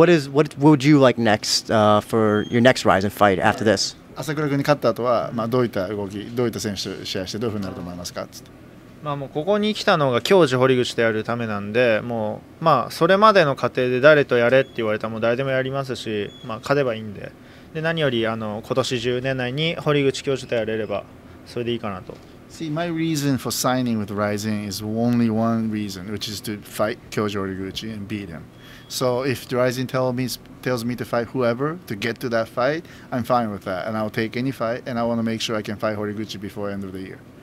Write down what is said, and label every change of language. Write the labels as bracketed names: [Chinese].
[English] What would you like next for your next Ryzen fight after this? [Japanese] 朝倉君に勝った後は、まあ、どういった動き、どういった選手と試合してどういうふうになると思いますかつって、まあ、もうここに来たのが京次堀口とやるためなんで、もう、まあ、それまでの過程で誰とやれって言われたらもう誰でもやりますし、まあ、勝てばいいん で何よりあの今年10年内に堀口京次とやれればそれでいいかなと。 [English] See, my reason for signing with Ryzen is only one reason, which is to fight 京次堀口 and beat him. So if Ryzen tells me to fight whoever to get to that fight, I'm fine with that, and I'll take any fight, and I want to make sure I can fight Horiguchi before end of the year.